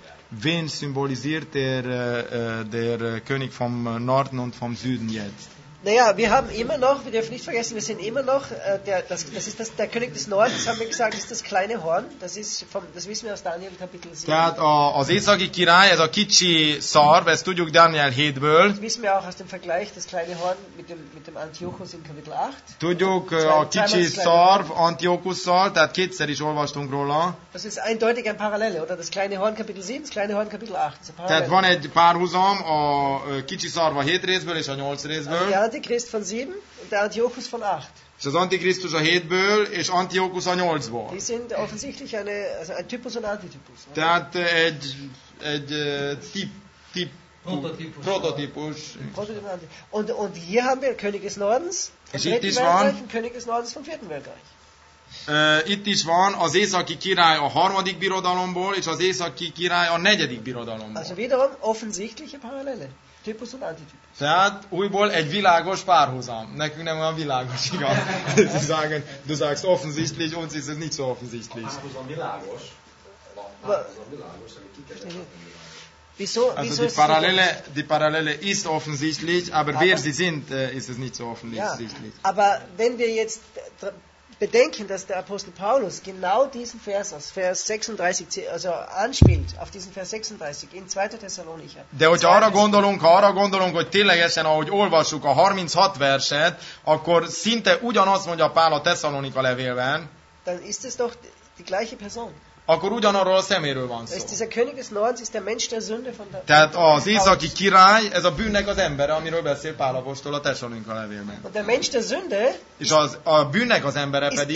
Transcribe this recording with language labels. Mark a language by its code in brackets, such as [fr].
[de] Wen symbolisiert der König vom Norden und vom Süden jetzt? Naja, wir haben immer noch, wir dürfen nicht vergessen, wir sind immer noch, der König des Nordens, haben wir gesagt, ist das kleine Horn, das wissen wir aus Daniel Kapitel 7. [hu] Tehát az északi király, ez a kicsi szarv, ezt tudjuk Daniel 7-ből. [de] Das wissen wir auch aus dem Vergleich, das kleine Horn mit dem Antiochus in Kapitel 8. [hu] Tudjuk a kicsi szarv Antiochusszal, tehát kétszer is olvastunk róla. [de] Das ist eindeutig ein Parallele, oder? Das kleine Horn Kapitel 7, das kleine Horn Kapitel 8. [hu] Tehát van egy párhuzam a kicsi szarv a 7 részből és a 8 részből. [de] Der Antichrist von 7 und der Antiochus von 8. Ist das [hu] Antichristus a 7-ből és Antiochus a 8-ból. [de] Die sind offensichtlich eine, also ein Typus und Antitypus. Der hat ein Prototypus. Und hier haben wir König des Nordens vom 3. Weltreich und König des Nordens vom 4. Weltreich. [hu] Itt is van az északi király a harmadik birodalomból és az északi király a negyedik birodalomból. [de] Also wiederum offensichtliche Parallele. Typus und Antitypus. [hu] Tehát újból egy világos párhuzam. Nekünk nem olyan világos, igaz? [de] Sie sagen, du sagst offensichtlich, uns ist es nicht so offensichtlich. [hu] A párhuzam világos. [de] Also die Parallele ist offensichtlich, aber wer sie sind, ist es nicht so offensichtlich. Ja, aber wenn wir jetzt bedenken, dass der Apostel Paulus genau diesen Vers aus Vers 36, also anspielt auf diesen Vers 36 in 2. Thessalonicher. [hu] De hogyha arra gondolunk, hogy ténylegesen, ahogy olvassuk a 36 verset, akkor szinte ugyanazt mondja Pál a Thessalonika levélben. [de] Dann ist es doch die gleiche Person. [hu] Akkor ugyanarról a szeméről van szó. [de] Ist dieser König des Nordens ist der Mensch der Sünde von der. [hu] Tehát az északi király, ez a bűnnek az embere, amiről beszél Pál apostol a Thessalonika levélben. [de] Der Mensch der Sünde. [hu] És az a bűnnek az embere pedig.